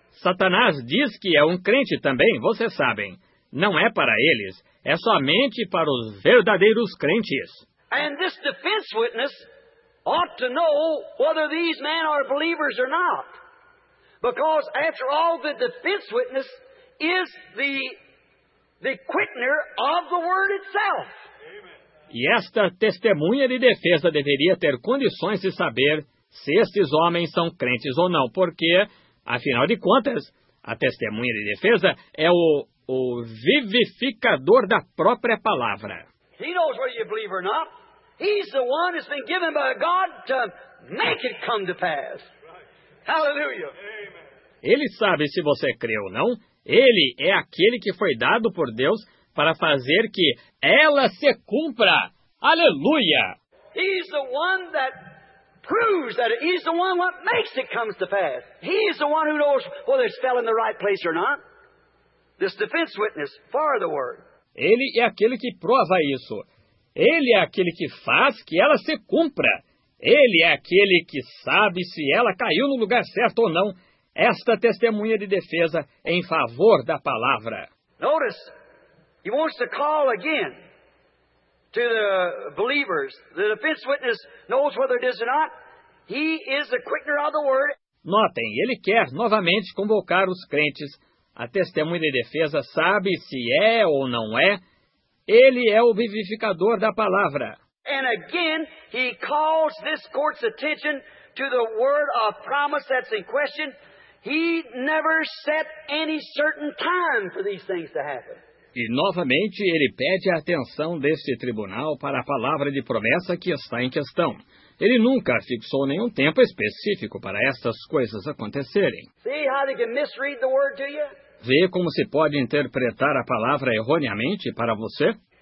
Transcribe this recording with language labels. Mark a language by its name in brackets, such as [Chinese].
[Portuguese] Satanás diz que é um crente também, vocês sabem. Não é para eles, é somente para os verdadeiros crentes. [English] And this defense witness ought to know whether these men are believers or not. Because after all, the defense witness is the quickener of the word itself. [Portuguese] E esta testemunha de defesa deveria ter condições de saber se estes homens são crentes ou não, porque, afinal de contas, a testemunha de defesa é o vivificador da própria palavra. [English] He knows whether you believe or not. He's the one that's been given by God to make it come to pass. Hallelujah. Amen. [Portuguese] Ele sabe se você crê ou não. Ele é aquele que foi dado por Deus para fazer que ela se cumpra. Aleluia. [English] He's the one that proves that he's the one what makes it come to pass. He's the one who knows whether it's fell in the right place or not. This defense witness for the word. [Portuguese] Ele é aquele que prova isso. Ele é aquele que faz que ela se cumpra. Ele é aquele que sabe se ela caiu no lugar certo ou não. Esta testemunha de defesa em favor da palavra. [English] Notice, he wants to call again to the believers. The defense witness knows whether it is or not. He is the quickener of the word. [Portuguese] Notem, ele quer novamente convocar os crentes. A testemunha de defesa sabe se é ou não é. Ele é o vivificador da palavra. [English] And again, he calls this court's attention to the word of promise that's in question. He never set any certain time for these things to happen. [Portuguese] E novamente, ele pede a atenção desse tribunal para a palavra de promessa que está em questão. Ele nunca fixou nenhum tempo específico para essas coisas acontecerem. [English] See how they can misread the word to you? [Portuguese] Vê como se pode interpretar a palavra erroneamente para você?